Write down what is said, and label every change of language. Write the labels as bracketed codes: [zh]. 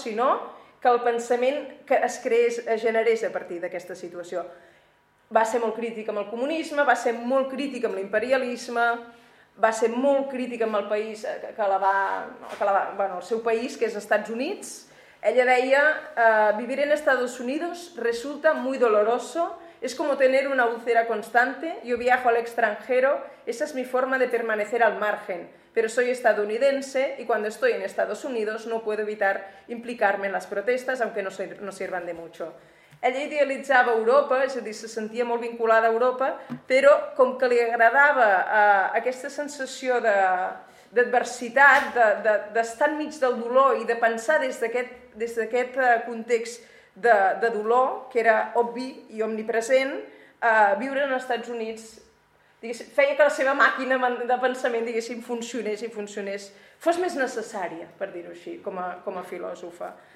[ca] Sinó que el pensament que es generés a partir d'aquesta situació. Va ser molt crític amb el comunisme, va ser molt crític amb l'imperialisme, va ser molt crític amb el país bueno, el seu país, que és Estats Units. [es] Ella deia, vivir en Estados Unidos resulta muy doloroso, es como tener una úlcera constante, yo viajo al extranjero, esa es mi forma de permanecer al margen, pero soy estadounidense y cuando estoy en Estados Unidos no puedo evitar implicarme en las protestas, aunque no sirvan de mucho. [ca] Ella idealitzava Europa, és a dir, se sentia molt vinculada a Europa, però com que li agradava aquesta sensació d'adversitat, d'estar enmig del dolor i de pensar des d'aquest context de dolor, que era obvi i omnipresent, viure en els Estats Units feia que la seva màquina de pensament funcionés, fos més necessària, per dir-ho així, com a filòsofa.